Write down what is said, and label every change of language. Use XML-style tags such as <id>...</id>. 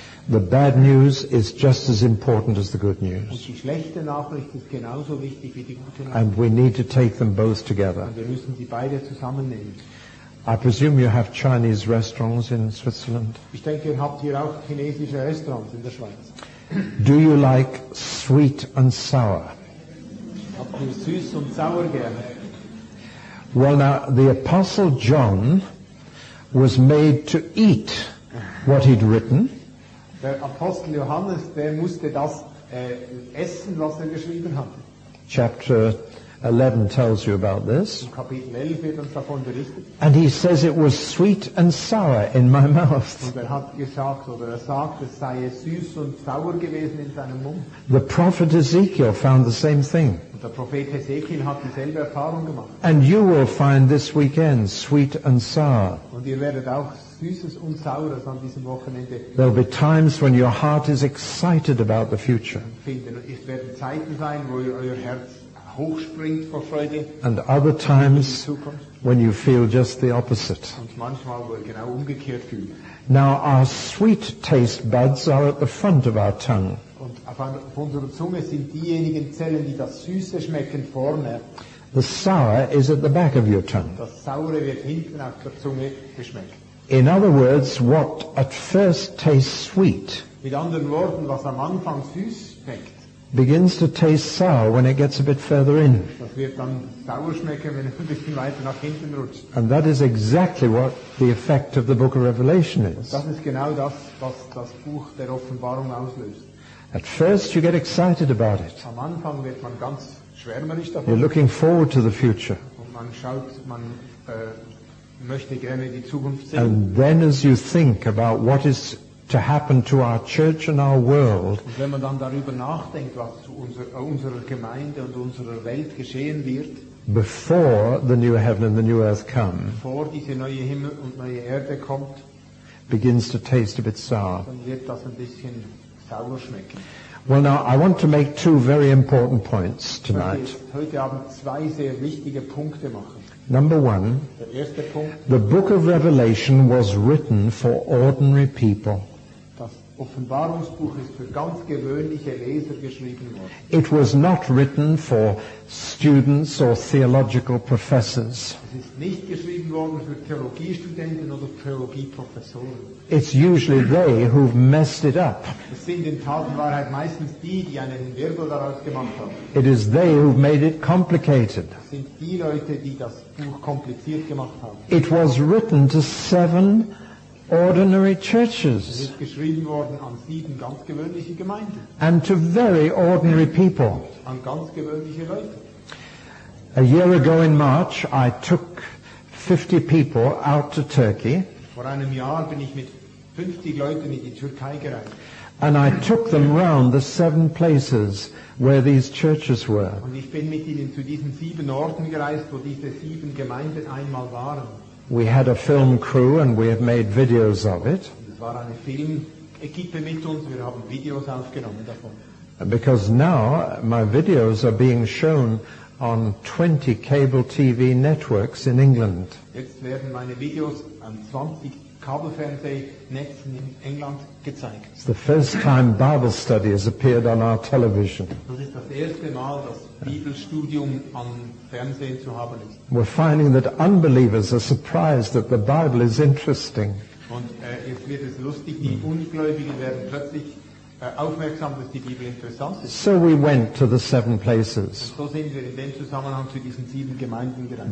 <en>The bad news is just as important as the good news.</en> <de>Und die schlechte Nachricht ist genauso wichtig wie die gute Nachricht.</de> <en>And we need to take them both together.</en> <de>Und wir müssen sie beide zusammennehmen.</de> <en>I presume you have Chinese restaurants in Switzerland.</en> <de>Ich denke, ihr habt hier auch chinesische Restaurants in der Schweiz.</de> <en>Do you like sweet and sour?</en> <de>Habt ihr süß und sauer gerne?</de> <en>Well now, the Apostle John was made to eat what he'd written.</en> <de>Der Apostel Johannes, der musste das essen, was er geschrieben hat.</de> <en>Chapter 11 tells you about this.</en> <de>Und Kapitel 11 wird uns davon berichtet.</de> <en>And he says it was sweet and sour in my mouth.</en> <de>Und er hat gesagt, oder er sagt, es sei süß und sauer gewesen in seinem Mund.</de> <en>The prophet Ezekiel found the same thing.</en> <de>Der Prophet Ezekiel hat dieselbe Erfahrung gemacht.</de> <en>And you will find this weekend sweet and sour.</en> <de>Und ihr werdet auch Süßes und Saures an diesem Wochenende.</de> <en>There'll be times when your heart is excited about the future.</en> <de>Es werden Zeiten sein, wo euer Herz hochspringt vor Freude.</de> <en>And other times when you feel just the opposite.</en> <de>Und manchmal, wo ihr genau umgekehrt fühlt.</de> <en>Now our sweet taste buds are at the front of our tongue.</en> <de>Und auf unserer Zunge sind diejenigen Zellen, die das Süße schmecken, vorne.</de> <en>The sour is at the back of your tongue.</en> <de>Das Saure wird hinten auf der Zunge geschmeckt.</de> <en>In other words, what at first tastes sweet,</en> <de>mit anderen Worten, was am Anfang süß schmeckt,</de> <en>begins to taste sour when it gets a bit further in.</en> <de>Das wird dann sauer schmecken, wenn es ein bisschen weiter nach hinten rutscht.</de> <en>And that is exactly what the effect of the Book of Revelation is.</en> <de>Und das ist genau das, was das Buch der Offenbarung auslöst.</de> <en>At first you get excited about it.</en> <de>Am Anfang wird man ganz schwärmerisch davon.</de> <en>You're looking forward to the future.</en> <de>Und man schaut, man möchte gerne die Zukunft sehen.</de> <en>And then as you think about what is to happen to our church and our world.</en> <de>Und wenn man dann darüber nachdenkt, was zu unserer Gemeinde und unserer Welt geschehen wird.</de> <en>Before the new heaven and the new earth come.</en> <de>Bevor diese neue Himmel und neue Erde kommt.</de> <en>Begins to taste a bit sour.</en> <de>Dann wird das ein bisschen.</de> <en>Well now, I want to make two very important points tonight.</en> <de>Heute Abend zwei sehr wichtige Punkte machen.</de> <en>Number one,</en> <de>der erste Punkt,</de> <en>the Book of Revelation was written for ordinary people.</en> <de>Das Offenbarungsbuch ist für ganz gewöhnliche Leser geschrieben worden.</de> <en>It was not written for students or theological professors.</en> <de>Es ist nicht geschrieben worden für Theologiestudenten oder Theologieprofessoren.</de> <en>It's usually they who've messed it up.</en> <de>Es sind in Tatenwahrheit meistens die, die einen Wirbel daraus gemacht haben.</de> <en>It is they who've made it complicated.</en> <de>Es sind die Leute, die das Buch kompliziert gemacht haben.</de> <en>It was written to seven ordinary churches.</en> <de>Es ist geschrieben worden an sieben ganz gewöhnliche Gemeinden.</de> <en>And to very ordinary people.</en> <de>An ganz gewöhnliche Leute.</de> <en>A year ago in March, I took 50 people out to Turkey.</en> <de>Vor einem Jahr bin ich mit 50 Leuten in die Türkei gereist.</de> <en>And I took them round the seven places where these churches were.</en> <de>Und ich bin mit ihnen zu diesen sieben Orten gereist, wo diese sieben Gemeinden einmal waren.</de> <en>We had a film crew and we have made videos of it.</en> <de>Es war eine Filmequipe mit uns, wir haben Videos aufgenommen davon.</de> <en>Because now my videos are being shown on 20 cable TV networks in England.</en> <de>Jetzt werden meine Videos an 20 Kabelfernsehnetzen in England gezeigt.</de> <en>It's the first time Bible study has appeared on our television.</en> <de>Das ist das erste Mal, dass Bibelstudium am Fernsehen zu haben ist.</de> <en>We're finding that unbelievers are surprised that the Bible is interesting.</en> <de>Und jetzt wird es lustig, die Ungläubigen werden plötzlich aufmerksam, dass die Bibel interessant ist.</de> <en>So we went to the seven places.</en> <de>Und so sind wir in dem Zusammenhang zu diesen sieben Gemeinden gereist.</de>